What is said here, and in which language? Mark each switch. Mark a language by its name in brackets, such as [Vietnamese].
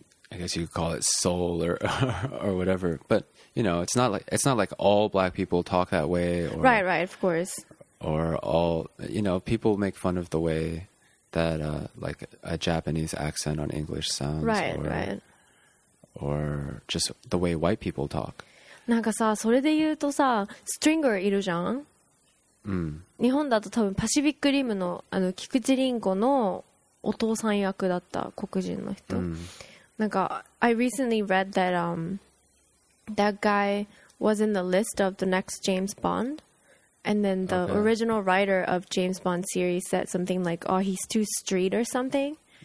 [English] I guess you could call it soul or whatever. But you know, it's not like all black people talk that way. Or, right. Right. Of course. Or all you know, people make fun of the way. That like a Japanese accent on English sounds, right, right, or just the way white people talk. [Japanese] なんかさ、それで言うとさ、ストリンガーいるじゃん。うん。日本だと多分パシフィックリムのあの菊池凛子のお父さん役だった黒人の人。うん、なんか [English] I recently read that that guy was in the list of the next James Bond. And then the original writer of James Bond series said something like, oh, he's too street or something.